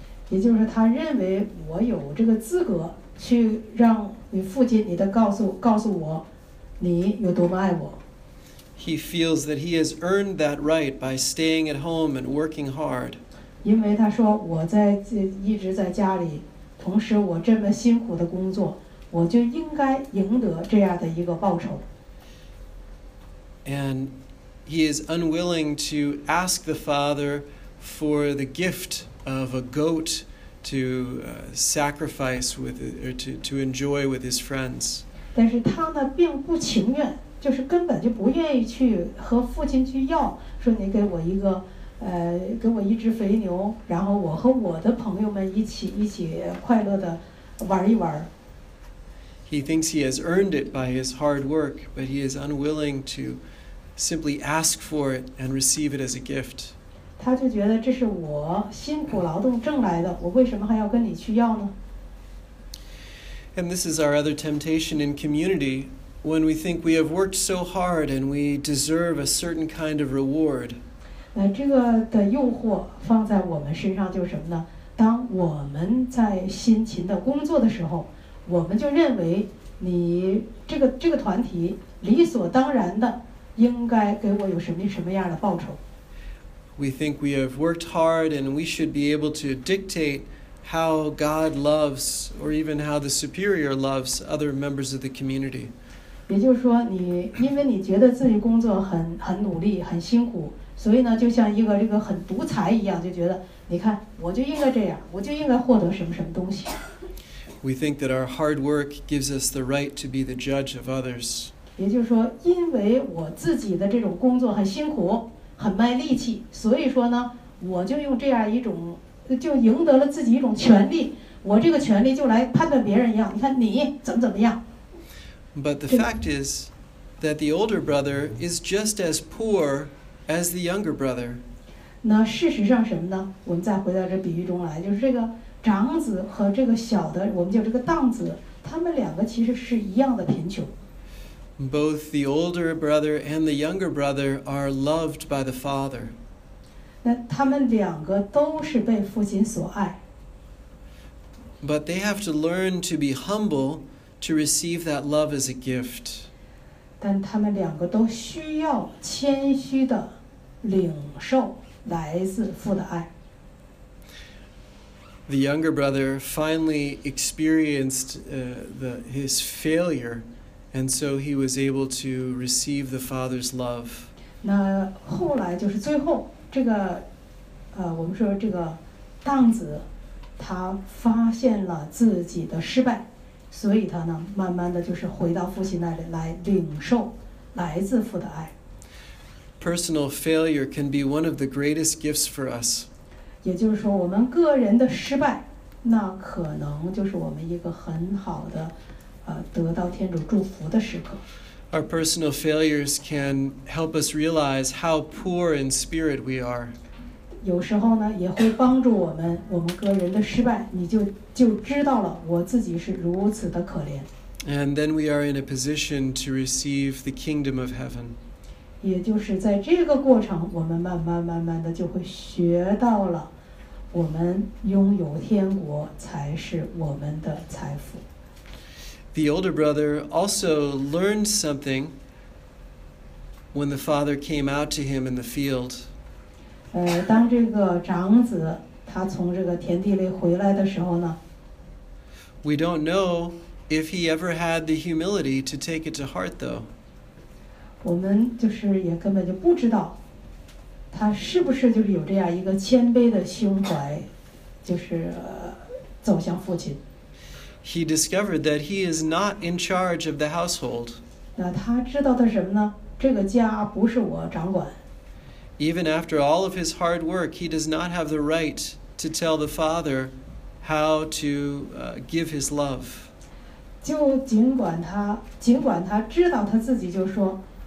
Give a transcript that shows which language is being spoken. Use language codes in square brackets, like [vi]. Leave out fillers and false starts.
[zh] 也就是他认为我有这个资格去让你父亲，你的告诉我，你有多么爱我。 [en] He feels that he has earned that right by staying at home and working hard. [zh] 因为他说我在一直在家里，同时我这么辛苦的工作，我就应该赢得这样的一个报酬。 [en] And he is unwilling to ask the Father for the gift of a goat to sacrifice with or to enjoy with his friends. [zh] 但是他呢并不情愿。就是根本就不愿意去和父亲去要，说你给我一个，给我一只肥牛，然后我和我的朋友们一起快乐的玩一玩。 [en] He thinks he has earned it by his hard work, but he is unwilling to simply ask for it and receive it as a gift. [zh] 他就觉得这是我辛苦劳动挣来的，我为什么还要跟你去要呢？ [en] And this is our other temptation in community. When we think we have worked so hard and we deserve a certain kind of reward. [zh] 那这个的诱惑放在我们身上就是什么呢？当我们在辛勤的工作的时候，我们就认为你这个团体理所当然的应该给我有什么样的报酬。 [en] We think we have worked hard and we should be able to dictate. How God loves, or even how the superior loves other members of the community. [zh] 也就是说，你因为你觉得自己工作很努力、很辛苦，所以呢，就像一个这个很独裁一样，就觉得你看，我就应该这样，我就应该获得什么什么东西。 [en] We think that our hard work gives us the right to be the judge of others. [zh] 也就是说，因为我自己的这种工作很辛苦、很卖力气，所以说呢，我就用这样一种。就赢得了自己一种权利，我这个权利就来判断别人一样，你看你怎么怎么样。 [en] But the fact is that the older brother is just as poor as the younger brother. [zh] 那事实上什么呢？我们再回到这比喻中来，就是这个长子和这个小的，我们叫这个荡子，他们两个其实是一样的贫穷。 [en] Both the older brother and the younger brother are loved by the father. [zh] 那他们两个都是被父亲所爱。 [en] But they have to learn to be humble to receive that love as a gift. [zh] 但他们两个都需要谦虚的领受来自父的爱。 [en] The younger brother finally experienced his failure, and so he was able to receive the father's love. [zh] 那后来就是最后。这个，我们说这个荡子，他发现了自己的失败，所以他呢，慢慢的就是回到父亲那里来领受来自父的爱。 [en] Personal failure can be one of the greatest gifts for us. [zh] 也就是说，我们个人的失败，那可能就是我们一个很好的，得到天主祝福的时刻。 [en] Our personal failures can help us realize how poor in spirit we are. [zh] 有时候呢，也会帮助我们，我们个人的失败，你就知道了我自己是如此的可怜。 [en] And then we are in a position to receive the kingdom of heaven. [zh] 也就是在这个过程，我们慢慢慢慢的就会学到了，我们拥有天国才是我们的财富。 [en] The older brother also learned something when the father came out to him in the field. [zh] 当这个长子他从这个田地里回来的时候呢 [en] ？We don't know if he ever had the humility to take it to heart, though. [zh] 我们就是也根本就不知道他是不是就是有这样一个谦卑的胸怀，就是走向父亲。 [en] He discovered that he is not in charge of the household. [zh] 那他知道的什么呢？这个家不是我掌管。 [en] Even after all of his hard work, he does not have the right to tell the father how to give his love. [zh] 就尽管他知道他自己就说，